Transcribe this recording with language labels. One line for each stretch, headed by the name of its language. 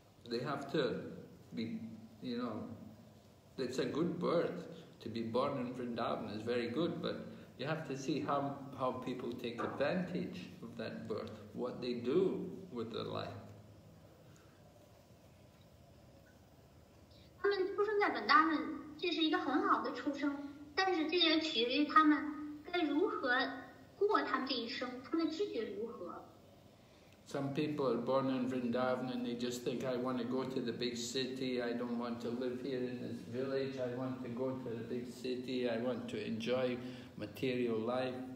English: They have to be, you know, it's a good birth to be born in Vrindavan, it's very good, but you have to see how people take advantage of that birth, what they do with their life.
Chinese: 他们出生在本大门，这是一个很好的出生，但是这也取决于他们该如何过他们这一生，他们的知觉如何。
English: Some people are born in Vrindavan and they just think, I want to go to the big city, I don't want to live here in this village, I want to go to the big city, I want to enjoy material life.